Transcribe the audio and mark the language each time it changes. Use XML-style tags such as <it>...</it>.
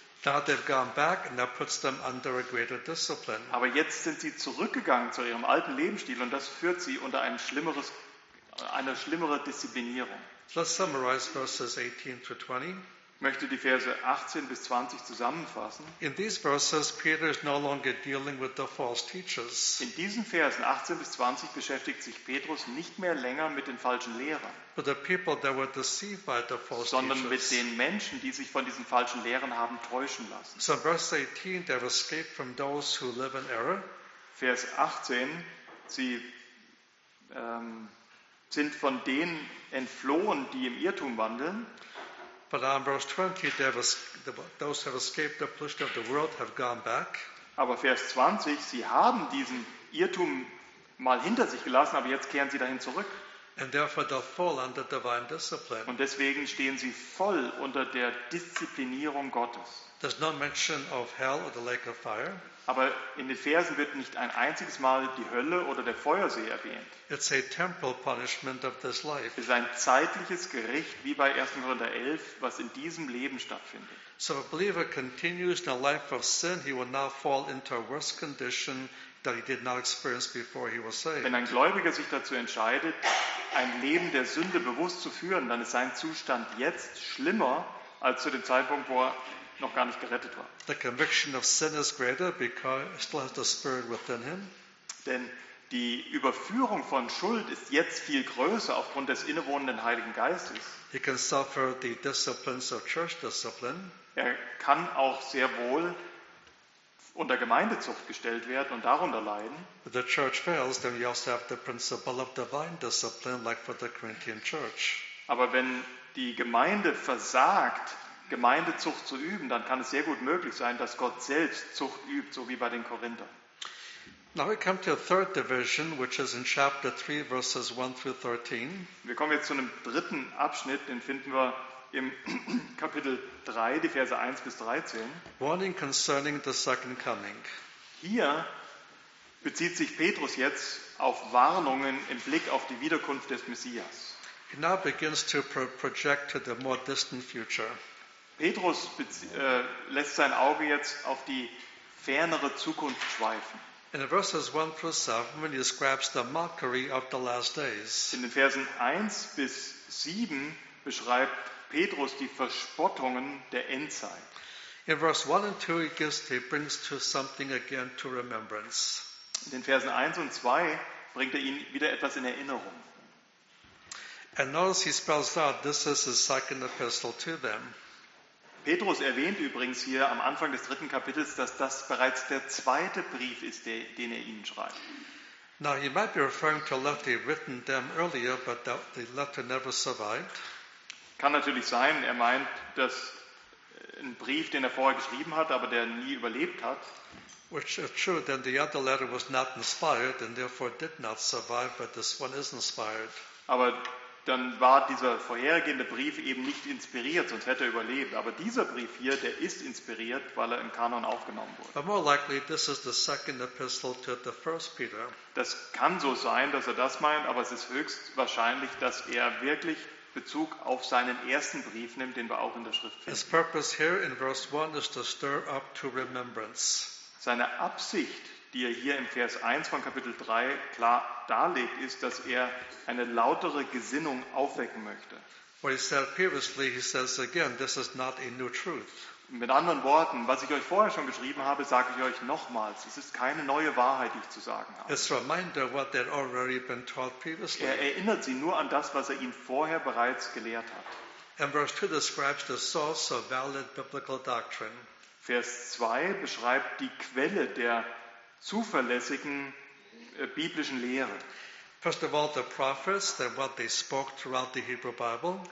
<en>Now they've gone back and that puts them under a greater discipline.</en> <de>Aber jetzt sind sie zurückgegangen zu ihrem alten Lebensstil und das führt sie unter eine schlimmere Disziplinierung.</de> <en>Let's summarize verses 18 to 20.</en> <de>Möchte die Verse 18 bis 20 zusammenfassen.</de> <en>In these verses, Peter is no longer dealing with the false teachers.</en> <de>In diesen Versen 18 bis 20 beschäftigt sich Petrus nicht mehr länger mit den falschen Lehrern,</de> <en>but the people that were deceived by the false</en> <de>sondern</de> <en>teachers.</en> <de>Mit den Menschen, die sich von diesen falschen Lehren haben täuschen lassen.</de> <en>So in verse 18, they have escaped from those who live in error.</en> <de>Vers 18, sie sind von denen entflohen, die im Irrtum wandeln.</de> <en>But in verse 20, those who have escaped the pollution of the world have gone back.</en> <de>Aber Vers 20, sie haben diesen Irrtum mal hinter sich gelassen, aber jetzt kehren sie dahin zurück.</de> <en>And therefore they're full under divine discipline.</en> <de>Und deswegen stehen sie voll unter der Disziplinierung Gottes.</de> <en>There's no mention of hell or the lake of fire.</en> <de>Aber in den Versen wird nicht ein einziges Mal die Hölle oder der Feuersee erwähnt.</de> <en>It's a temporal punishment of this life.</en> <de>Es ist ein zeitliches Gericht, wie bei 1. Korinther 11, was in diesem Leben stattfindet.</de> <en>So a believer continues in a life of sin, he will now fall into a worse condition that he did not experience before he was saved.</en> <de>Wenn ein Gläubiger sich dazu entscheidet, ein Leben der Sünde bewusst zu führen, dann ist sein Zustand jetzt schlimmer als zu dem Zeitpunkt, wo er noch gar nicht gerettet war.</de> <en>The conviction of sin is greater because he still has the spirit within him.</en> <de>Denn die Überführung von Schuld ist jetzt viel größer aufgrund des innewohnenden Heiligen Geistes.</de> <en>He can suffer the disciplines of church discipline.</en> <de>Er kann auch sehr wohl unter Gemeindezucht gestellt werden und darunter leiden.</de> <en>If the church fails, then we also have the principle of divine discipline, like for the Corinthian church.</en> <de>Aber wenn die Gemeinde versagt, Gemeindezucht zu üben, dann kann es sehr gut möglich sein, dass Gott selbst Zucht übt, so wie bei den Korinthern.</de> <en>Now we come to a third division, which is in chapter 3, verses 1 through 13.</en> <de>Wir kommen jetzt zu einem dritten Abschnitt, den finden wir im Kapitel 3, die Verse 1 bis 13.</de> <en>Warning concerning the second coming.</en> <de>Hier bezieht sich Petrus jetzt auf Warnungen im Blick auf die Wiederkunft des Messias.</de> <en>He now begins to project to the more distant future.</en> <de>Petrus lässt sein Auge jetzt auf die fernere Zukunft schweifen.</de> <en>In verses 1 through 7, when he describes the mockery of the last days.</en> <de>In den Versen 1 bis 7 beschreibt Petrus die Verspottungen der Endzeit.</de> <en>In verse 1 and 2 he brings to something again to remembrance.</en> <de>In den Versen 1 und 2 bringt er ihn wieder etwas in Erinnerung.</de> <en>And notice he spells out, this is his second epistle to them.</en> <de>Petrus erwähnt übrigens hier am Anfang des dritten Kapitels, dass das bereits der zweite Brief ist, den er ihnen schreibt.</de> <en>Now he might be referring to a letter written them earlier, but the letter never survived.</en> <de>Kann natürlich sein, er meint, dass ein Brief, den er vorher geschrieben hat, aber der nie überlebt hat.</de> <en>Which is true, then the other letter was not inspired and therefore did not survive, but this one is inspired.</en> <de>Aber dann war dieser vorhergehende Brief eben nicht inspiriert, sonst hätte er überlebt. Aber dieser Brief hier, der ist inspiriert, weil er im Kanon aufgenommen wurde.</de> <en>But more likely, this is the second epistle to the first Peter.</en> <de>Das kann so sein, dass er das meint, aber es ist höchst wahrscheinlich, dass er wirklich Bezug auf seinen ersten Brief nimmt, den wir auch in der Schrift finden.</de> <en>His purpose here in verse 1 is to stir up to remembrance.</en> <de>Seine Absicht, die er hier im Vers 1 von Kapitel 3 klar darlegt, ist, dass er eine lautere Gesinnung aufwecken möchte.</de> <en>What he said previously, he says again, this is not a new truth.</en> <de>Mit anderen Worten, was ich euch vorher schon geschrieben habe, sage ich euch nochmals. Es ist keine neue Wahrheit, die ich zu sagen habe.</de> <en>It's a reminder of what they'd already been taught previously.</en> <de>Er erinnert sie nur an das, was er ihnen vorher bereits gelehrt hat.</de> <en>And verse 2 describes the source of valid biblical doctrine.</en> <de>Vers 2 beschreibt die Quelle der zuverlässigen biblischen Lehre.</de> <en>First of all, the prophets, then what they spoke throughout the Hebrew Bible.</en>